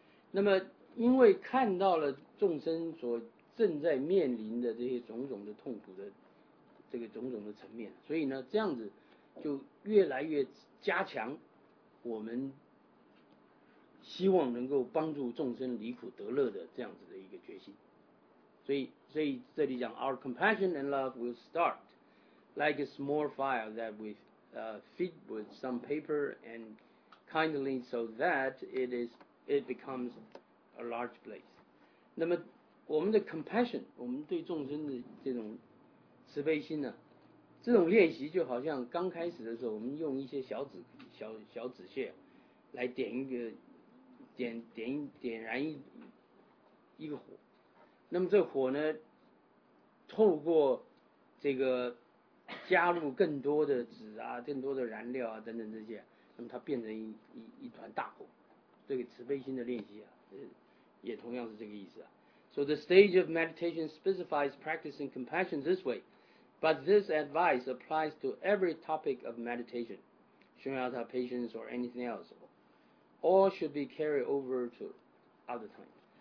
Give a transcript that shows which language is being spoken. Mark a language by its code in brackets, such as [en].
[zh] 那么因为看到了众生所正在面临的这些种种的痛苦的这个种种的层面，所以呢这样子就越来越加强我们希望能够帮助众生离苦得乐的这样子的一个决心。所以这里讲 [en] Our compassion and love will start like a small fire that we feed with some paper and kindly so that it becomes a large place. [zh] 那么我们的 compassion， 我们对众生的这种慈悲心呢、啊、这种练习就好像刚开始的时候我们用一些小纸屑来点一个点燃一个火，那么这火呢透过这个加入更多的纸啊，更多的燃料啊等等这些，那么它变成一团大火。这个慈悲心的练习啊也同样是这个意思啊。 [en] So the stage of meditation specifies practicing compassion this way, but this advice applies to every topic of meditation, shunyata, patience, or anything else. All should be carried over to other times.